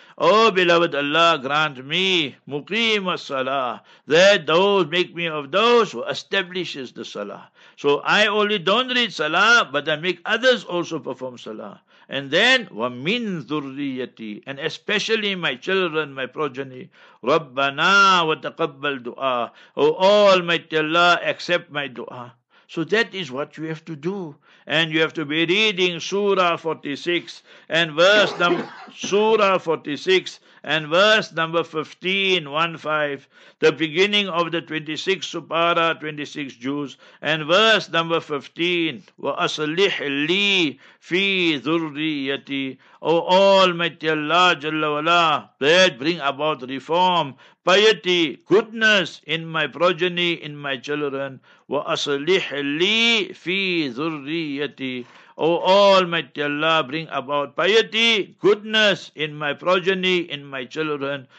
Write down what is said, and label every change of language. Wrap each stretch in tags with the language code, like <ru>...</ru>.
<en>Oh, beloved Allah, grant me</en> <ar>مُقِيمَ الصَّلَاةِ,</ar> <en>that those make me of those who establishes the salah. So I only don't read salah, but I make others also perform salah. And then</en> <ar>وَمِنْ ذُرِّيَّتِي,</ar> <en>and especially my children, my progeny.</en> <ar>رَبَّنَا وَتَقَبَّلْ dua.</ar> <en>Oh, Almighty Allah, accept my dua. So that is what you have to do. And you have to be reading Surah 46 and verse number Surah 46 And verse number 15, the beginning of the 26 Supara, 26 Jews. And verse number 15,</en> <ar>وَأَصْلِحْ لِي فِي ذُرِّيَّتِي.</ar> <en>O Almighty Allah Jalla Wala, that bring about reform, piety, goodness in my progeny, in my children.</en> <ar>وَأَصْلِحْ لِي فِي ذُرِّيَّتِي.</ar> <en>O Almighty Allah, bring about piety, goodness in my progeny, in my children.</en>